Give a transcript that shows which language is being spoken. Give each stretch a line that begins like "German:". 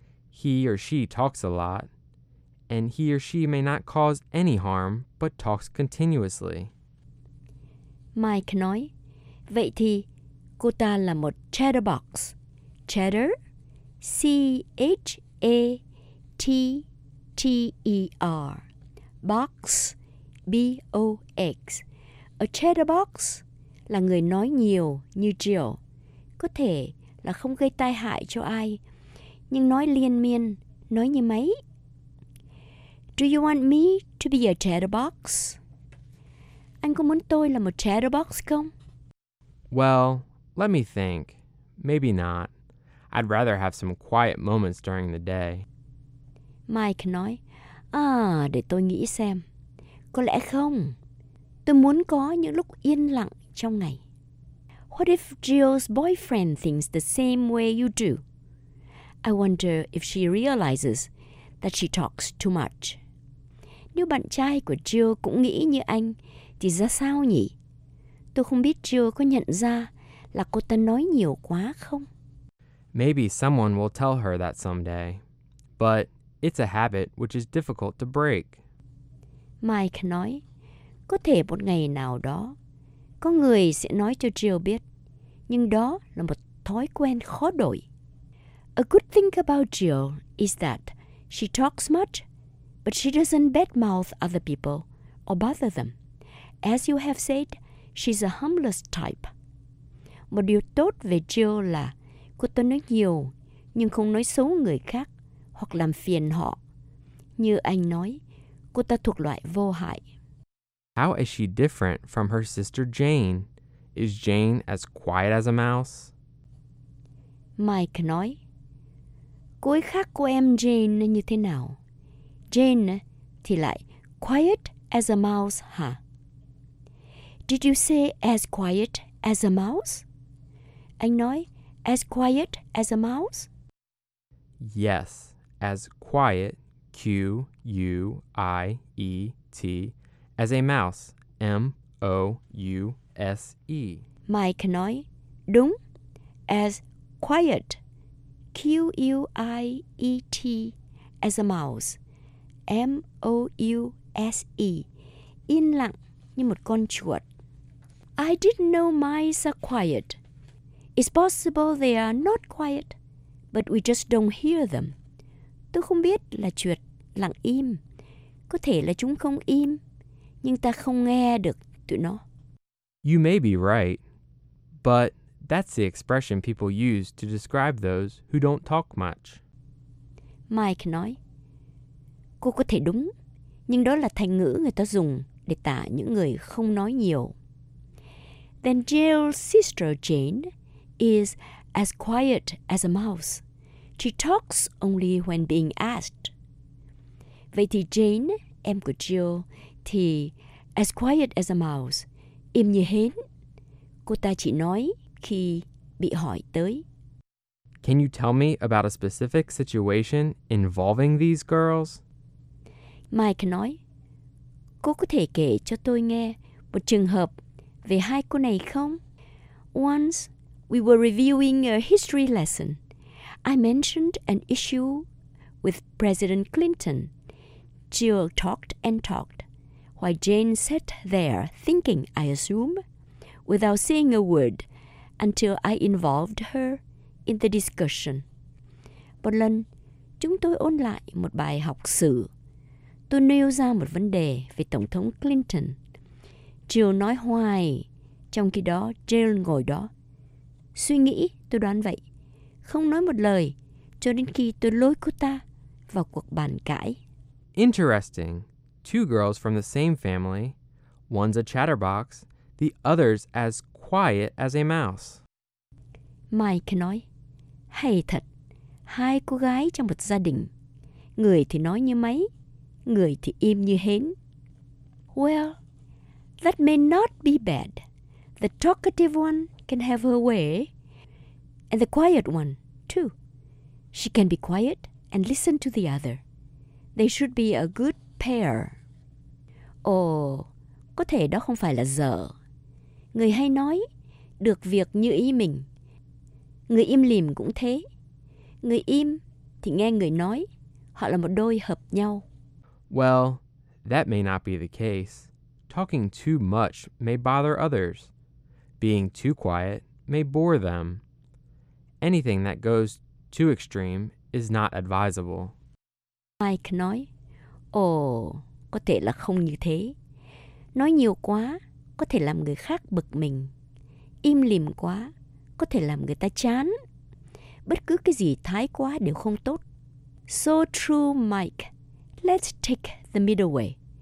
English: He or she talks a lot, and he or she may not cause any harm, but talks continuously.
Vietnamese: Mike nói, vậy thì cô ta là một chatterbox.
English: Chatter, C-H-A-T-T-E-R. Box, B-O-X.
Vietnamese: A chatterbox là người nói nhiều như Jill. Có thể là không gây tai hại cho ai, nhưng nói liên miên, nói như máy.
English: Do you want me to be a chatterbox?
Vietnamese: Anh có muốn tôi là một chatterbox không?
English: Well, let me think. Maybe not. I'd rather have some quiet moments during the day.
Vietnamese: Mike nói, à, để tôi nghĩ xem. Có lẽ không. Tôi muốn có những lúc yên lặng trong ngày.
English: What if Jill's boyfriend thinks the same way you do? I wonder if she realizes that she talks too much.
Vietnamese: Nếu bạn trai của Jill cũng nghĩ như anh, thì ra sao nhỉ? Tôi không biết Jill có nhận ra là cô ta nói nhiều quá không?
English: Maybe someone will tell her that someday. But it's a habit which is difficult to break.
Vietnamese: Mike nói, có thể một ngày nào đó, có người sẽ nói cho Jill biết, nhưng đó là một thói quen khó đổi.
English: A good thing about Jill is that she talks much, but she doesn't badmouth other people or bother them. As you have said, she's a humblest type.
Vietnamese: Một điều tốt về Jill là cô ta nói nhiều, nhưng không nói xấu người khác hoặc làm phiền họ. Như anh nói, cô ta thuộc loại vô hại.
English: How is she different from her sister Jane? Is Jane as quiet as a mouse?
Vietnamese: Mike nói, cô ấy khác cô em Jane như thế nào?
English: Jane
Vietnamese: thì lại
English: quiet as a mouse,
Vietnamese: hả?
English: Huh? Did you say as quiet as a mouse?
Vietnamese: Anh nói,
English: as quiet as a mouse? Yes, as quiet, Q-U-I-E-T, as a mouse, M-O-U-S-E.
Vietnamese: Mike nói, đúng,
English: as quiet, Q-U-I-E-T, as a mouse, M-O-U-S-E,
Vietnamese: yên lặng như một con chuột.
English: I didn't know mice are quiet. It's possible they are not quiet, but we just don't hear them.
Vietnamese: Tôi không biết là chuột lặng im. Có thể là chúng không im, nhưng ta không nghe được tụi nó.
English: You may be right, but that's the expression people use to describe those who don't talk much.
Vietnamese: Mike nói, cô có thể đúng, nhưng đó là thành ngữ người ta dùng để tả những người không nói nhiều.
English: Then Jill's sister Jane is as quiet as a mouse. She talks only when being asked.
Vietnamese: Vậy thì Jane, em của Jill, thì
English: as quiet as a mouse,
Vietnamese: im như hến. Cô ta chỉ nói khi bị hỏi tới.
English: Can you tell me about a specific situation involving these girls?
Vietnamese: Mike nói, cô có thể kể cho tôi nghe một trường hợp về hai cô này không?
English: Once, we were reviewing a history lesson. I mentioned an issue with President Clinton. Jill talked and talked, while Jane sat there thinking, I assume, without saying a word, until I involved her in the discussion.
Vietnamese: Một lần, chúng tôi ôn lại một bài học sử. Tôi nêu ra một vấn đề về Tổng thống Clinton. Jill nói hoài, trong khi đó Jill ngồi đó. Suy nghĩ, tôi đoán vậy. Không nói một lời, cho đến khi tôi lôi cô ta vào cuộc bàn cãi.
English: Interesting. Two girls from the same family. One's a chatterbox, the other's as quiet as a mouse.
Vietnamese: Mike nói, hay thật. Hai cô gái trong một gia đình. Người thì nói như máy, người thì im như hến.
English: Well, that may not be bad. The talkative one can have her way, and the quiet one, too. She can be quiet and listen to the other. They should be a good pair.
Vietnamese: Ồ, có thể đó không phải là dở. Người hay nói, được việc như ý mình. Người im lìm cũng thế. Người im thì nghe người nói, họ là một đôi hợp nhau.
English: Well, that may not be the case. Talking too much may bother others. Being too quiet may bore them. Anything that goes too extreme is not advisable.
Vietnamese: Mike nói, ồ, có thể là không như thế. Nói nhiều quá có thể làm người khác bực mình. Im lìm quá có thể làm người ta chán. Bất cứ cái gì thái quá đều không tốt.
English: So true, Mike. Let's take the middle way.